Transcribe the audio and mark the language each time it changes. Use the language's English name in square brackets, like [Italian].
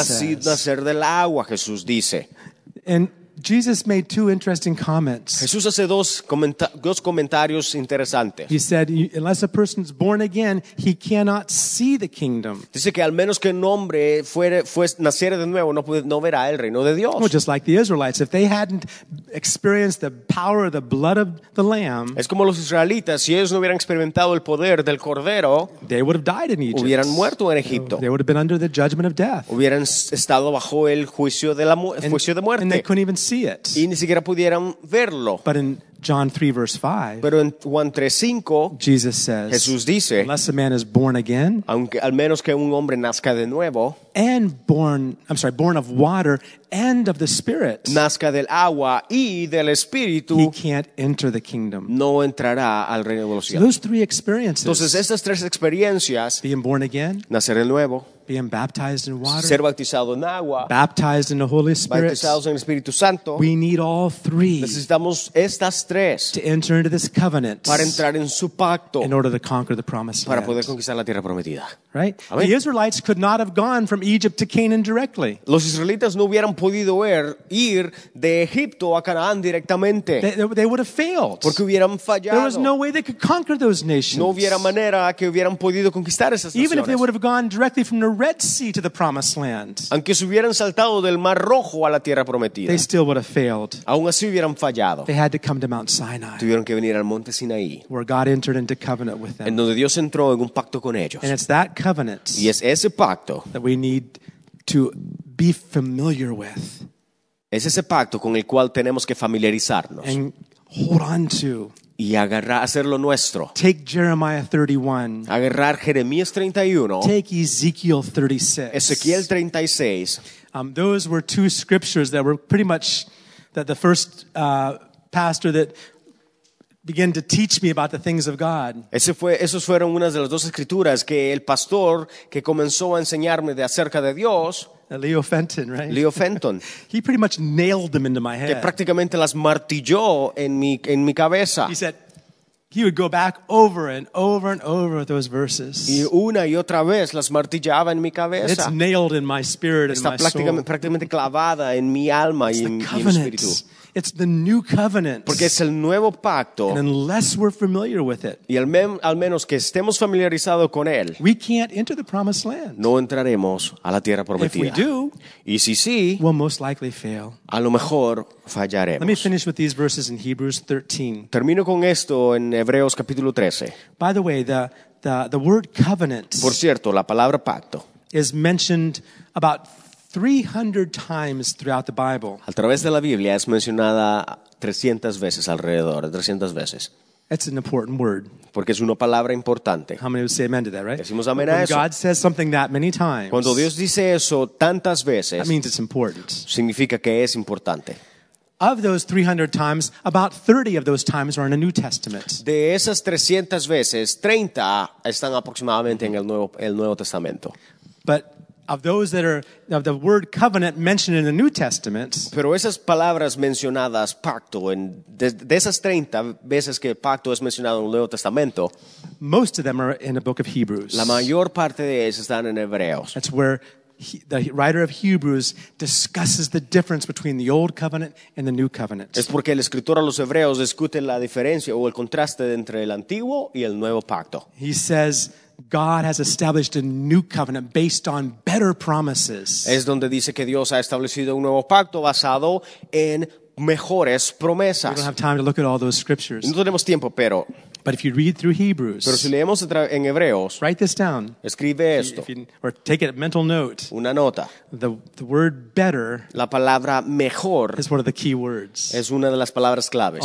[Spanish] says. Nacer del agua, Jesús dice. [English] And Jesus made two interesting comments. [Spanish] Jesús hace dos comentarios interesantes. [English] He said, unless a person is born again, he cannot see the kingdom. [Spanish] Dice que al menos que un hombre naciera de nuevo, no verá el reino de Dios. [English] Well, just like the Israelites, if they hadn't experienced the power of the blood of the Lamb, [Spanish] es como los israelitas, si ellos no hubieran experimentado el poder del Cordero, [English] they would have died in Egypt. [Spanish] Hubieran muerto en Egipto. [English] They would have been under the judgment of death. [Spanish] Hubieran estado bajo el juicio de muerte. [English] And they couldn't even see it. [Spanish] Y ni siquiera pudieran verlo. [English] But in John 3 verse 5, [Spanish] pero en Juan 3, 5, [English] Jesus says, [Spanish] Jesús dice, [English] unless a man is born again, [Spanish] aunque, al menos que un hombre nazca de nuevo, [English] and born of water and of the Spirit, [Spanish] nazca del agua y del Espíritu, [English] he can't enter the kingdom. [Spanish] No entrará al reino de los cielos. [English] Those three experiences, [Spanish] entonces estas tres experiencias, [English] being born again, [Spanish] nacer de nuevo, [English] being baptized in water, [Spanish] ser bautizado en agua, [English] baptized in the Holy Spirit, [Spanish] bautizados en el Espíritu Santo, [English] we need all three, [Spanish] necesitamos estas tres, [English] to enter into this covenant, [Spanish] para entrar en su pacto, [English] in order to conquer the promised [Spanish] para [English] land, [Spanish] poder conquistar la tierra prometida. [English] Right? Amen. The Israelites could not have gone from Egypt to Canaan directly. [Spanish] Los israelitas no hubieran podido ir de Egipto a Canaán directamente. [English] They would have failed. [Spanish] Porque hubieran fallado. [English] There was no way they could conquer those nations. [Spanish] No hubiera manera que hubieran podido conquistar esas naciones. [English] Even if they would have gone directly from the Red Sea to the Promised Land. [Spanish] Aunque se hubieran saltado del Mar Rojo a la Tierra Prometida. [English] They still would have failed. [Spanish] Aún así hubieran fallado. [English] They had to come to Mount Sinai. [Spanish] Tuvieron que venir al Monte Sinaí. [English] Where God entered into covenant with them. [Spanish] En donde Dios entró en un pacto con ellos. [English] And it's that covenant. [Spanish] Y es ese pacto. [English] That we need to be familiar with. [Spanish] Es ese pacto con el cual tenemos que familiarizarnos. [English] And hold on to. [Spanish] Y agarrar, hacerlo nuestro. [English] Take Jeremiah 31. [Spanish] Agarrar Jeremías 31. [English] Take Ezekiel 36. [Spanish] Ezequiel 36. [English] Those were two scriptures that were pretty much that the first pastor that begin to teach me about the things of God. [Spanish] Esos fueron unas de las dos escrituras que el pastor que comenzó a enseñarme de acerca de Dios. [English] Leo Fenton, right? [Spanish] Leo Fenton. [English] He pretty much nailed them into my head. [Spanish] Que prácticamente las martilló en mi cabeza. [English] He said he would go back over and over and over with those verses. [Spanish] Y una y otra vez las martillaba en mi cabeza. [English] It's nailed in my spirit and my soul. [Spanish] Está prácticamente clavada en mi alma y en mi espíritu. [English] It's the new covenant. [Spanish] Porque es el nuevo pacto. [English] And unless we're familiar with it, [Spanish] y al menos que estemos familiarizados con él, [English] we can't enter the promised land. [Spanish] No entraremos a la tierra prometida. [English] If we do, [Spanish] y si sí, [English] we'll most likely fail. [Spanish] A lo mejor fallaremos. [English] Let me finish with these verses in Hebrews 13. [Spanish] Termino con esto en Hebreos capítulo 13. [English] By the way, the word covenant, [Spanish] por cierto, la palabra pacto, [English] is mentioned about 300 times throughout the Bible. [Spanish] A través de la Biblia es mencionada 300 veces alrededor, 300 veces. [English] It's an important word. [Spanish] Porque es una palabra importante. [English] How many would say amen to that, right? [Spanish] Decimos amén a eso. [English] When God says something that many times, [Spanish] cuando Dios dice eso tantas veces, [English] that means it's important. [Spanish] Significa que es importante. [English] Of those 300 times, about 30 of those times are in the New Testament. [Spanish] De esas 300 veces, 30 están aproximadamente en el Nuevo Testamento. [English] But of those that are of the word covenant mentioned in the New Testament, [Spanish] pero esas palabras mencionadas pacto en de esas 30 veces que pacto es mencionado en el Nuevo Testamento, [English] most of them are in the book of Hebrews. [Spanish] La mayor parte de ellas están en Hebreos. [English] That's where the writer of Hebrews discusses the difference between the old covenant and the new covenant. [Spanish] Es porque el escritor a los Hebreos discute la diferencia o el contraste entre el antiguo y el nuevo pacto. [English] He says God has established a new covenant based on better promises. [Spanish] Es donde dice que Dios ha establecido un nuevo pacto basado en mejores promesas. [English] We don't have time to look at all those scriptures. [Spanish] No tenemos tiempo, pero. [English] But if you read through Hebrews, [Spanish] pero si leemos en Hebreos, [English] write this down. [Spanish] Escribe esto. [English] Or take a mental note. [Spanish] Una nota. [English] The word better, [Spanish] la palabra mejor, [English] is one of the key words. [Spanish] Es una de las palabras claves.